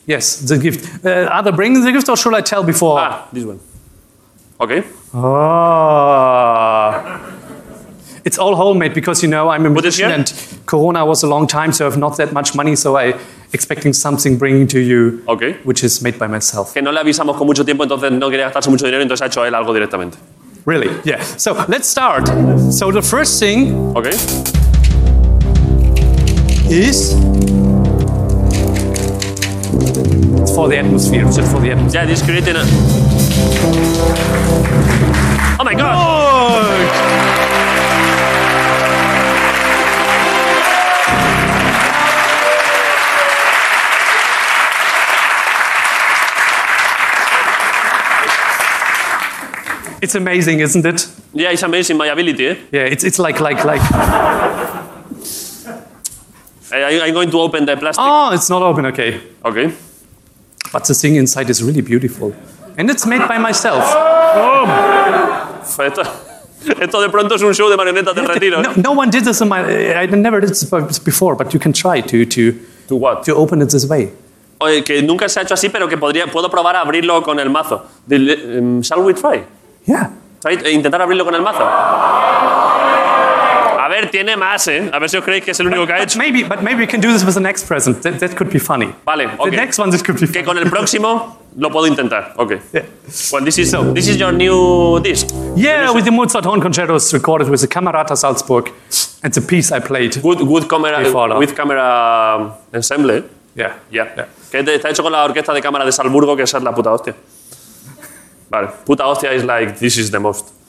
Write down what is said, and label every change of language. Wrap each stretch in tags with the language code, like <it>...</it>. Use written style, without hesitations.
<en>Yes, the gift. Are they bringing the gift or should I tell before? Ah, this one. Okay. Oh. It's all homemade because, you know, I'm a musician and Corona was a long time, so I have not that much money, so I expecting something bringing to you, okay, which is made by myself.</en> <es>Que no le avisamos con mucho tiempo, entonces no quería gastarse mucho dinero, entonces ha hecho él algo directamente.</es> <en>Really? Yeah. So let's start. So the first thing, okay, is for the atmosphere. Just for the atmosphere. Yeah, this is creating a. Oh my God! Look! It's amazing, isn't it? Yeah, it's amazing, my ability, eh? Yeah, it's like... I'm going to open the plastic. Oh, it's not open, okay. Okay. But the thing inside is really beautiful. And it's made by myself. Oh!</en> <es>Esto de pronto es un show de marionetas de retiro.</es> <en>No one did this in my... I never did this before, but you can try to... To what? To open it this way.</en> <es>Oye, que nunca se ha hecho así, pero que podría... Puedo probar a abrirlo con el mazo.</es> <en>Shall we try? Yeah.</en> <es>Intentar abrirlo con el mazo. A ver, tiene más, ¿eh? A ver si os creéis que es el único que ha hecho.</es> <en>Maybe we can do this with the next present. That could be funny. Vale, okay. The next one, this could be funny.</en> <es>Que con el próximo lo puedo intentar. Okay.</es> <en>Yeah. Well, this is your new disc. Yeah, with the Mozart horn concertos recorded with the Camerata Salzburg. It's a piece I played. Good camera, with camera ensemble. Yeah.</en> <es>Que está hecho con la orquesta de cámara de Salzburgo, que esa es la puta hostia. Vale, puta hostia</es> <en>is like, this is the most.</en>